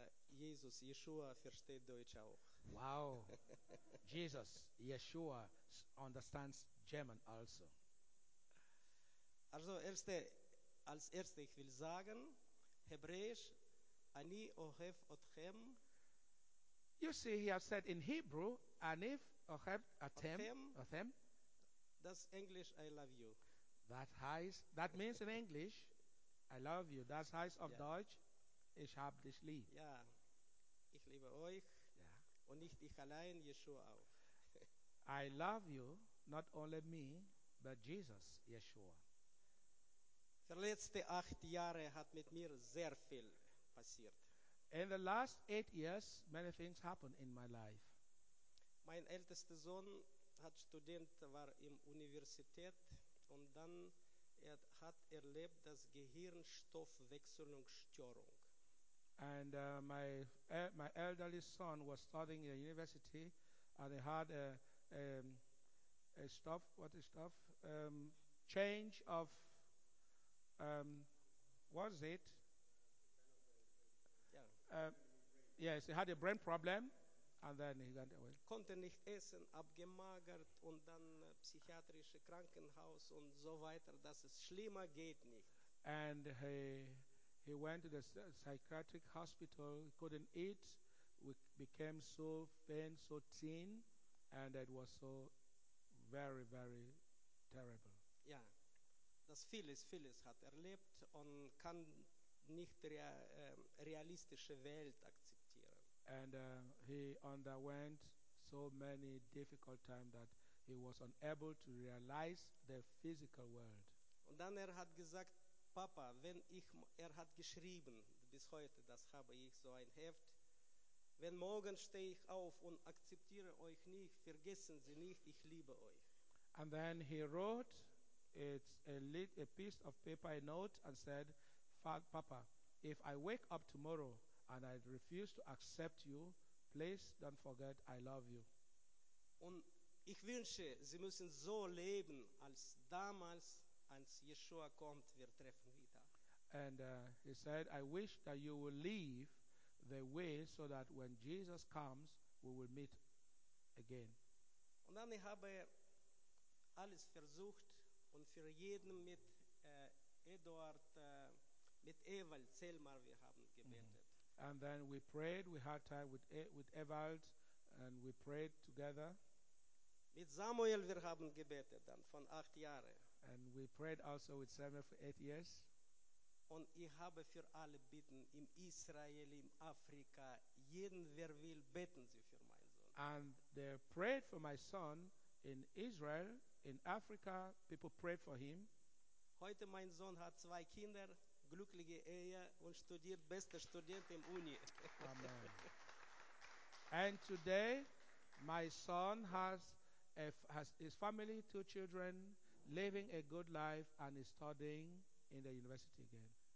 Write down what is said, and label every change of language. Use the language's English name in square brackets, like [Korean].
[German] Jesus, Yeshua versteht Deutsch auch. [English] Wow. Jesus, Yeshua understands German also. [German] Also als erste ich will sagen, Hebräisch, [Hebrew] ani ohev otchem. [English] You see, he has said in Hebrew, [Hebrew] ani ohev otchem. [German] Das Englisch, [English] I love you. That means in English, I love you. [German] Das heißt auf Deutsch, ich hab dich lieb. Ja, ich liebe euch und nicht ich allein, Yeshua auch. [English] I love you. Not only me, but Jesus, Yeshua. [German] Für letzte 8 Jahre hat mit mir sehr viel passiert. [English] In the last 8 years, many things happened in my life. [German] Mein ältester Sohn hat Student war im Universität und dann hat erlebt das Gehirnstoffwechselungsstörung. [English] And my elderly son was studying at university and he had he had a brain problem and then he got away. [German] Konnte nicht essen, abgemagert und dann psychiatrische Krankenhaus und so weiter, dass es schlimmer geht nicht. [English] And he went to the psychiatric hospital, he couldn't eat, became so thin, so thin, and it was so very, very terrible. [German] Ja, das vieles hat erlebt und kann nicht realistische Welt akzeptieren. [English] And he underwent so many difficult times that he was unable to realize the physical world. [German] Und dann hat gesagt, Papa, wenn ich, hat geschrieben, bis heute, das habe ich so ein Heft, Wenn morgen stehe ich auf und akzeptiere euch nicht, vergessen Sie nicht, ich liebe euch. [English] And then he wrote a piece of paper, a note, and said, Papa, if I wake up tomorrow and I refuse to accept you, please don't forget I love you. [German] Und ich wünsche, Sie müssen so leben, als damals, als Yeshua kommt, wir treffen wieder. [English] And he said, I wish that you will leave the way so that when Jesus comes, we will meet again. [German] Und dann ich habe alles versucht und für jeden mit Eduard, mit Ewald, zehnmal wir haben gebetet. Mm. [English] And then we prayed, we had time with Ewald, and we prayed together. [German] Mit Samuel wir haben gebetet dann von 8 Jahren. [English] And we prayed also with Samuel for 8 years. [German] Und ich habe für alle bitten im Israel, in Afrika, jeden wer will, beten Sie für meinen Sohn. [English] And they prayed for my son in Israel, in Africa, people prayed for him. [German] Heute mein Sohn hat 2 Kinder, glückliche Ehe und studiert, bester Student im Uni. Amen. [English] And today my son has his family, 2 children, living a good life and is studying in the university again.